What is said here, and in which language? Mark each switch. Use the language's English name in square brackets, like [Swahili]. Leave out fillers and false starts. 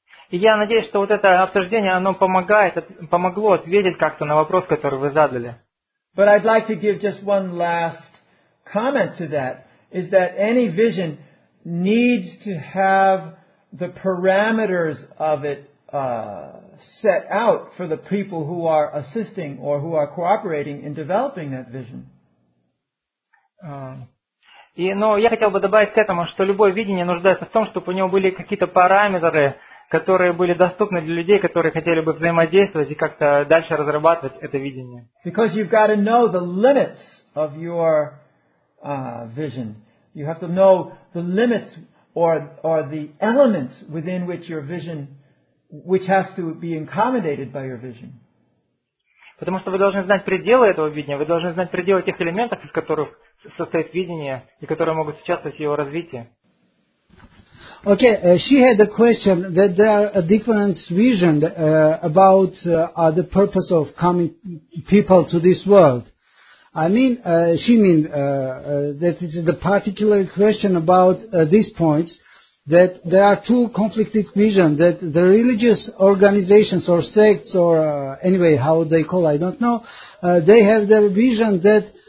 [Russian] И я надеюсь, что вот это обсуждение, оно помогает, помогло ответить как-то на вопрос, который вы задали. [English] But I'd like to give just one last comment to that, is that any vision needs to have the parameters of it set out for the people who are assisting or who are cooperating in developing that vision. [Russian] Но я хотел бы добавить к этому, что любое видение нуждается в том, чтобы у него были какие-то параметры, которые были доступны для людей, которые хотели бы взаимодействовать и как-то дальше разрабатывать это видение. [English] Because you've got to know the limits of your vision. You have to know the limits or the elements within which your vision, which have to be accommodated by your vision. [Russian] Потому что вы должны знать пределы этого видения, вы должны знать пределы тех элементов, из которых состоит видение, и которые могут участвовать в его развитии. [English] Okay, she had a question that there are a different vision about the purpose of coming people to this world. I mean, that it's the particular question about these points, that there are two conflicted visions, that the religious organizations or sects or anyway, how they call, I don't know, they have their vision that